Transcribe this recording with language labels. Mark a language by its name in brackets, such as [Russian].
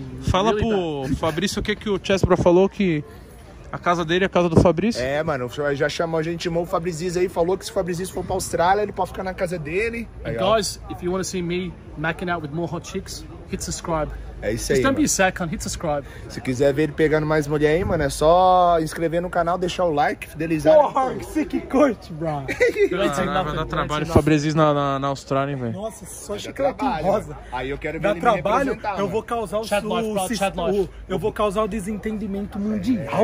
[Portuguese] Fala pro Fabrício o que, que o Chesbro falou, que a casa dele é a casa do Fabrício. É, mano, já chamou, a gente chamou o Fabrício aí, falou que se o Fabrício for pra Austrália, ele pode ficar na casa dele. [English] And guys, if you want to see me macking out with more hot chicks, hit subscribe. [Portuguese] É isso aí. [English] Just don't be a sad cunt, hit subscribe. [Portuguese] Se quiser ver ele pegando mais mulher aí, mano, é só inscrever no canal, deixar o like, fidelizar. Porra, que [English] sick coach, bro. [Portuguese] Vai dar trabalho pro Fabrizis na Austrália, hein, velho. Nossa, só chiclete rosa. Aí eu quero ver dá ele trabalho, me representar. Eu vou causar o eu vou causar o desentendimento mundial.